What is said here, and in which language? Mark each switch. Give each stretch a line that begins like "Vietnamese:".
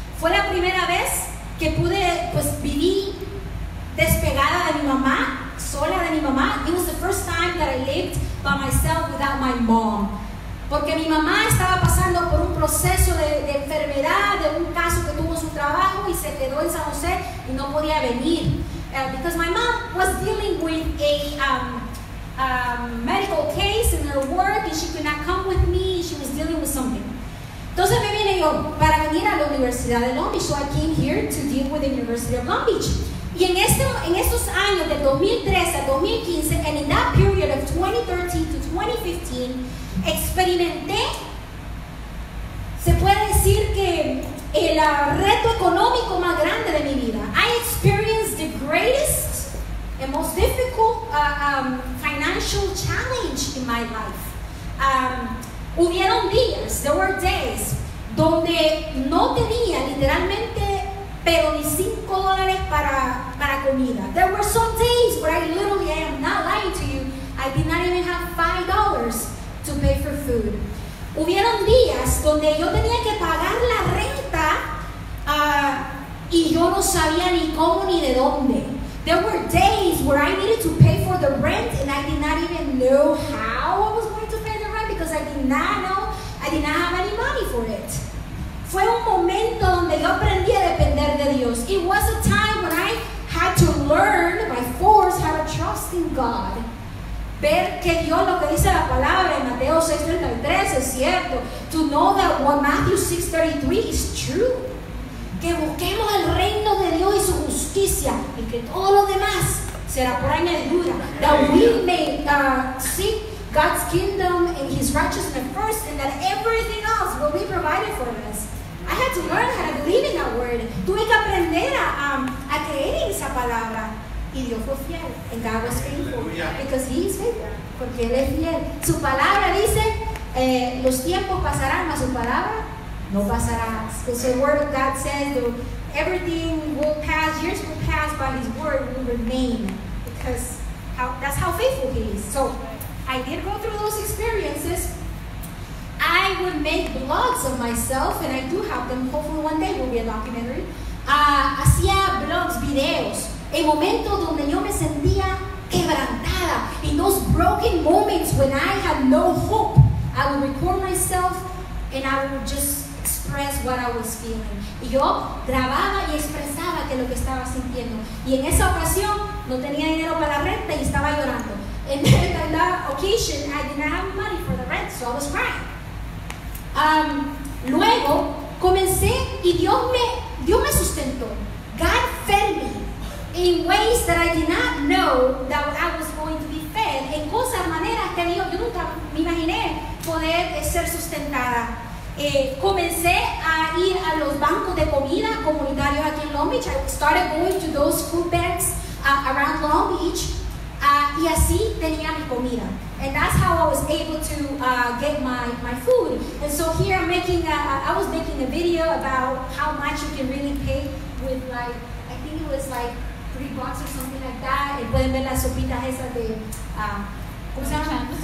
Spanish: Fue la primera vez que pude, pues, vivir despegada de mi mamá, sola de mi mamá.
English: It was the first time that I lived by myself without my mom.
Spanish: Porque mi mamá estaba pasando por un proceso de enfermedad, de un caso que tuvo su trabajo y se quedó en San José y no podía venir.
English: Because my mom was dealing with a medical case in her work and she could not come with me. She was dealing with something.
Spanish: Entonces me vine yo para venir a la Universidad de Long Beach.
English: So I came here to deal with the University of Long Beach.
Spanish: Y en estos años del 2013 al 2015,
English: and in that period of 2013 to 2015,
Spanish: experimenté, se puede decir que el reto económico más grande de mi vida.
English: I experienced the greatest and most difficult financial challenge in my life.
Spanish: Hubieron días,
English: there were days,
Spanish: donde no tenía literalmente pero ni $5 para comida.
English: There were some days where I literally, I am not lying to you, I did not even have $5 to pay for food.
Spanish: Hubieron días donde yo tenía que pagar la renta y yo no sabía ni cómo ni de dónde.
English: There were days where I needed to pay for the rent and I did not even know how I was going to pay the rent because I did not know, I did not have any money for it.
Spanish: Fue un momento donde yo aprendí a depender.
English: It was a time when I had to learn by force how to trust in God.
Spanish: Ver que Dios, lo que dice la palabra en Mateo 6:33, es cierto.
English: To know that what Matthew 6:33 is true.
Spanish: Que busquemos el reino de Dios y su justicia, y que todo lo demás será por añadidura.
English: That we may seek God's kingdom and His righteousness first, and that everything else will be provided for us. I had to learn how to believe in that word.
Spanish: Tuve que aprender a creer en esa palabra. Y Dios fue fiel.
English: And God was faithful. Because He is faithful.
Spanish: Porque Él es fiel. Su palabra dice, los tiempos pasarán, mas su palabra no pasará.
English: Because the word of God said, everything will pass, years will pass, but His word will remain. Because that's how faithful He is. So, I did go through those experiences. I would make blogs of myself, and I do have them. Hopefully one day it will be a documentary.
Spanish: Hacía blogs, videos. En momentos donde yo me sentía quebrantada,
English: in those broken moments when I had no hope, I would record myself and I would just express what I was feeling.
Spanish: Y yo grababa y expresaba que lo que estaba sintiendo. Y en esa ocasión no tenía dinero para la renta y estaba llorando.
English: And then on that occasion, I did not have money for the rent, so I was crying.
Spanish: Luego comencé y Dios me sustentó.
English: God fed me in ways that I did not know that I was going to be fed.
Spanish: En cosas, maneras que Dios, yo nunca me imaginé poder ser sustentada. Comencé a ir a los bancos de comida comunitarios aquí en Long Beach.
English: I started going to those food banks around Long Beach.
Spanish: Y así tenía mi comida.
English: And that's how I was able to get my food. And so here I'm making I was making a video about how much you can really pay with, like, I think it was like $3 or something like that.
Spanish: Y pueden ver las sopitas esas de ¿cómo se llama?